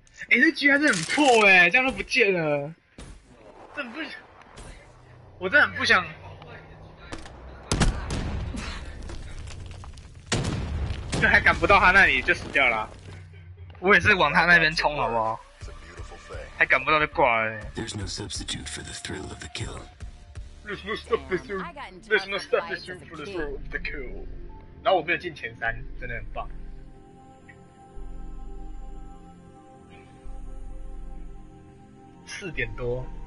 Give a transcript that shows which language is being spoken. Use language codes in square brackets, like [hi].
[zh] 哎、欸，这 GI 真的很破哎、欸，这样都不见了。真不想，我真的很不想。就还赶不到他那里就死掉了、啊，我也是往他那边冲，好不好？还赶不到就挂了、欸。 [en] There's no substitute for the thrill of the kill. There's no substitute for the thrill of the kill. [zh] 然后我没有进前三，真的很棒。四点多。